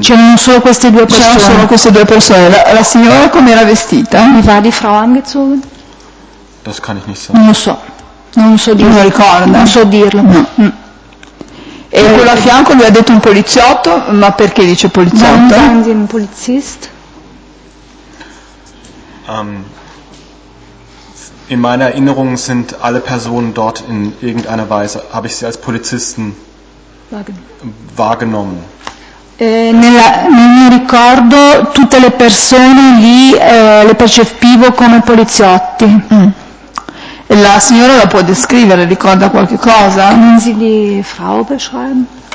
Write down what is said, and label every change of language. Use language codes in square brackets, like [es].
[it] C'erano solo queste due persone. La signora come era vestita? [de] Wie war die Frau angezogen? Das kann ich nicht sagen. [it] Non so dirlo. E quello a fianco gli ha detto un poliziotto, ma perché dice poliziotto? [de] Warum sagen Sie ein Polizist? In meiner Erinnerung sind alle Personen dort in irgendeiner Weise, habe ich sie als Polizisten wahrgenommen. [it] Nel mio ricordo tutte le persone lì le percepivo come poliziotti. La signora la può descrivere, ricorda qualche cosa? [de] Können Sie die Frau beschreiben?